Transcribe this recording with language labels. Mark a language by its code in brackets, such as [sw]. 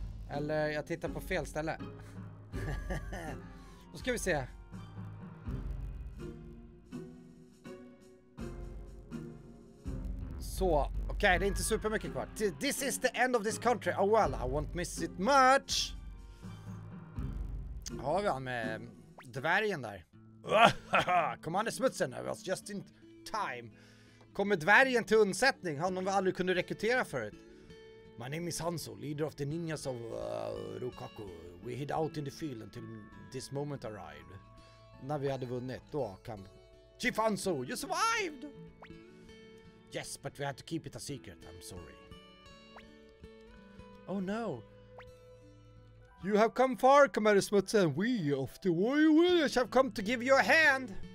[sv] Eller jag tittar på fel ställe. Då ska vi se. Så, okej, det är inte super mycket kvar. [en] This is the end of this country. Oh well, I won't miss it much. [sv] Har vi han med dvärgen där. [en] Commander Smutsen, I was just in time. [sv] Kommer dvärgen till undsättning? Han har vi aldrig kunnat rekrytera förut. [en] My name is Hanzo, leader of the ninjas of Rokaku. We hid out in the field until this moment arrived. [sv] När vi hade vunnit, då kan... [en] Chief Hanzo, you survived! Yes, but we had to keep it a secret, I'm sorry. Oh no. You have come far, Commander Smutsen. We of the Warrior Warriors have come to give you a hand.